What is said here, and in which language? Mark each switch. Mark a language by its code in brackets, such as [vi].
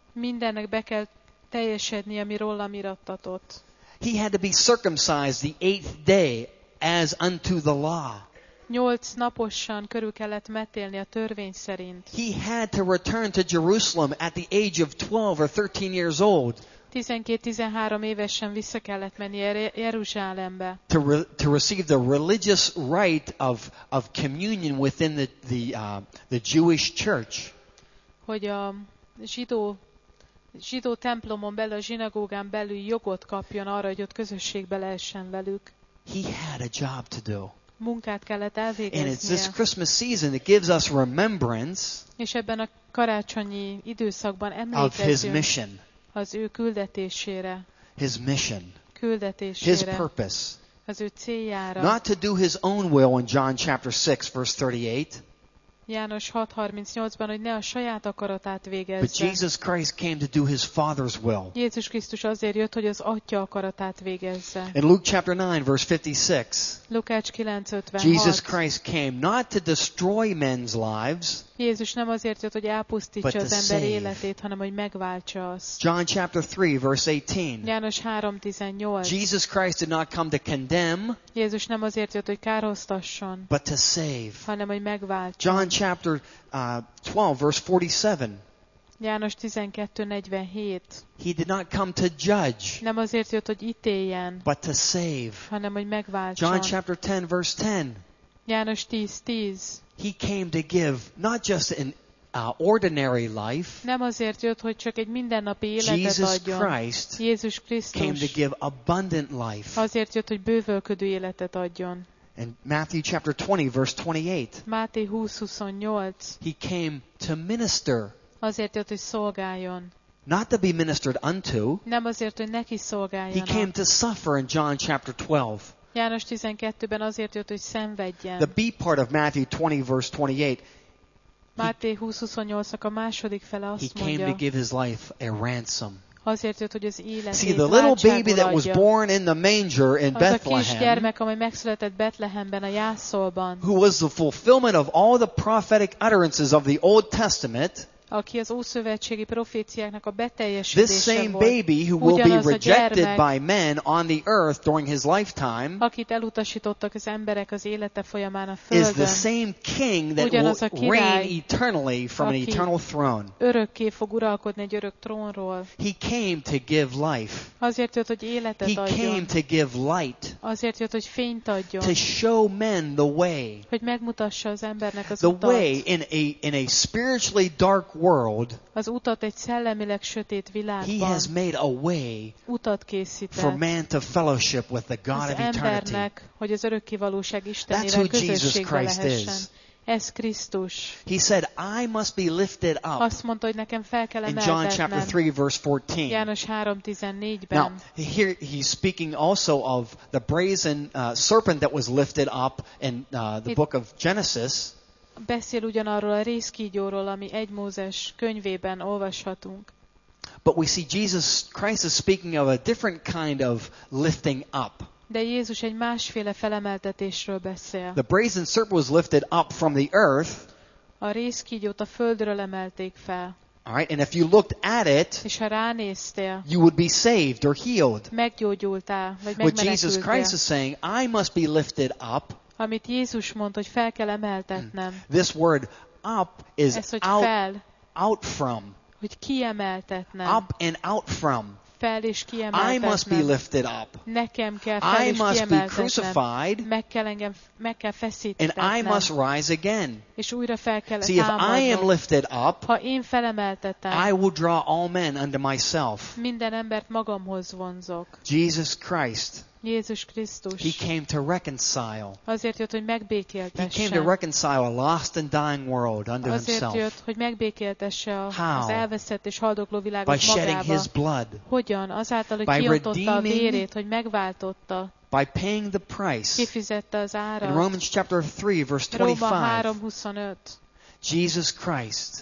[hu] Mindennek be kell teljesedni, ami rólam irattatott. [en] He had to be circumcised the eighth day as unto the law. [hu] Nyolc napossan körül kellett metélni a törvény szerint. [en] He had to return to Jerusalem at the age of 12 or 13 years old. [hu] 12-13 évesen vissza kellett menni Jeruzsálembe. [en] To receive the religious rite of communion within the Jewish church. [hu] Hogy a zsidó templomon belül, a zsinagógán belül jogot kapjon arra, hogy ott közösségbe lehessen velük. [en] He had a job to do. [hu] Munkát kellett elvégeznie. [en] And it's this Christmas season that gives us remembrance. [hu] És ebben a karácsonyi időszakban emlékezünk. [en] Of his mission. [hu] Az ő küldetésére. [en] His mission. [hu] Küldetésére. [en] His purpose. [hu] Az ő céljára. [en] Not to do his own will in John chapter 6 verse 38. [hu] János 6:38-ban, hogy ne a saját akaratát végezze. [en] But Jesus Christ came to do his father's will. [hu] Jézus Krisztus azért jött, hogy az Atya akaratát végezze. [en] In Luke chapter 9 verse 56. [hu] Lukács 9:56. [en] Jesus Christ came not to destroy men's lives. [hu] Jézus nem azért jött, hogy elpusztítsa az ember életét, hanem hogy megváltsa azt. [en] John chapter 3 verse 18. [hu] János 3:18. [en] Jesus Christ did not come to condemn. [hu] Jézus nem azért jött, hogy károsztasson, [en] but to save. [hu] Hanem hogy megváltsa. [en] John chapter 12 verse 47. [hu] János 12:47. [en] He did not come to judge. [hu] Nem azért jött, hogy ítéljen, [en] but to save. [hu] Hanem hogy megváltsa. [en] John chapter 10 verse 10. [hu] János 10:10. [en] He came to give not just an ordinary life. [hu] Nem azért jött, hogy csak egy mindennapi életet adjon. [en] Jesus Christ. [hu] Jézus Krisztus. [en] Came to give abundant life. [hu] Azért jött, hogy bővölködő életet adjon. [en] In Matthew chapter 20 verse 28. [hu] Máté 20:28. [en] He came to minister. [hu] Azért jött, hogy szolgáljon. [en] Not to be ministered unto. [hu] Nem azért, hogy neki szolgáljon. [en] He came to suffer in John chapter 12. [hu] János 12-ben azért jött, hogy szenvedjen. [en] The B part of Matthew 20 verse 28. [hu] Máté 20:28-nak a második fele azt [en] he [hu] mondja. [en] Came to give his life a ransom. [hu] Azért jött, hogy az életét. [en] See, the little baby that was born in the manger in Bethlehem. [hu] A kisgyermek, amely megszületett Betlehemben a jászolban. [en] Who was the fulfillment of all the prophetic utterances of the Old Testament? [hu] aki az ószövetségi proféciáknak a beteljesítése volt. [en] This same baby who will be rejected by men on the earth during his lifetime. [hu] Akit elutasítottak az emberek az élete folyamán a földön. [en] Is the same king that will reign eternally from an eternal throne. [hu] Örökké fog uralkodni egy örök trónról. [en] He came to give life. [hu] Azért jött, hogy életet adjon. [en] He came to give light. [hu] Azért jött, hogy fényt adjon. [en] To show men the way. [hu] Hogy megmutassa az embernek az [en] the [hu] utat. [en] The way in a spiritually dark world. [hu] Az utat egy szellemileg sötét világban. [en] He has made a way. [hu] Utat készített. [en] For man to fellowship with the God of eternity. [hu] Az embernek, hogy az örökké valóság Istenével közösségbe lehessen. [en] Jesus Christ is. [hu] Ez Krisztus. [en] He said, I must be lifted up. [hu] Azt mondta, hogy nekem fel kell emelkednem. [en] In John chapter 3, verse 14. [hu] János 3:14-ben. [en] Now, here he's speaking also of the brazen serpent that was lifted up in the book of Genesis. [hu] Beszél ugyanarról a részkígyóról, ami 1 Mózes könyvében olvashatunk. [en] But we see Jesus Christ is speaking of a different kind of lifting up. [hu] De Jézus egy másféle felemeltetésről beszél. [en] The brazen serpent was lifted up from the earth. [hu] A részkígyót a földről emelték fel. [en] All right, and if you looked at it, [hu] és ha ránéztél, [en] you would be saved or healed. [hu] Meggyógyultál, vagy megmeneküldtél. [en] What Jesus Christ is saying, I must be lifted up. [hu] Amit Jézus mond, hogy fel kell emeltetnem. [en] This word up is [hu] ez, hogy [en] out, [hu] fel, [en] out from. [hu] Hogy kiemeltetnem. [en] Up and out from. [hu] Fel és kiemeltetnem. [en] I must be lifted up. [hu] Nekem kell fel [en] I [hu] és kiemeltetnem. [en] Must be crucified. [hu] Meg kell feszítetnem. [en] And I must rise again. [hu] És újra fel kell támadnom. [en] See, if I am lifted up, [hu] ha én felemeltetem, [en] I will draw all men unto myself. [hu] Minden embert magamhoz vonzok. [en] Jesus Christ. [hu] Jézus Krisztus. [en] He came to reconcile. [hu] Azért jött, hogy megbékéltesse. [en] He came to reconcile a lost and dying world unto [hu] azért [en] himself. [hu] Azért jött, hogy megbékéltesse az elveszett és haldokló világot [en] by [hu] magába. [en] By shedding his blood. [hu] Hogyan? Azáltal, hogy kiontotta a vérét, hogy megváltotta. [en] By paying the price. [hu] Kifizette az árat. [en] In Romans chapter 3, verse 25. [hu] Róma 3:25. [en] Jesus Christ.